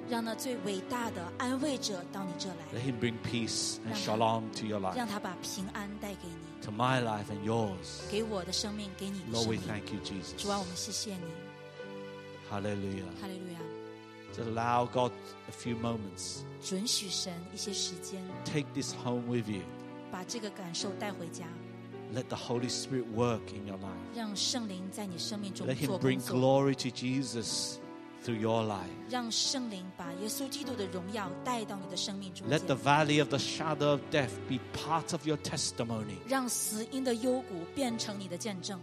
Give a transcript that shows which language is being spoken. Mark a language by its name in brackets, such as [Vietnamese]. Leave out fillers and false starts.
[Chinese] 让那最伟大的安慰者到你这来。 [English] Let Him bring peace and shalom to your life. [Chinese] 让他把平安带给你。 [English] To my life and yours. [Chinese] 给我的生命，给你的生命。 [English] Lord, we thank you, Jesus. [Chinese] 主啊，我们谢谢你。 [English] Hallelujah. Hallelujah. Just allow God a few moments. [Chinese] 准许神一些时间。 [English] Take this home with you. [Chinese] 把这个感受带回家。 [English] Let the Holy Spirit work in your life. [Chinese] 让圣灵在你生命中做工作。 [English] Let Him bring glory to Jesus through your life. [Chinese] 让圣灵把耶稣基督的荣耀带到你的生命中间。 [English] Let the valley of the shadow of death be part of your testimony. [Chinese] 让死荫的幽谷变成你的见证。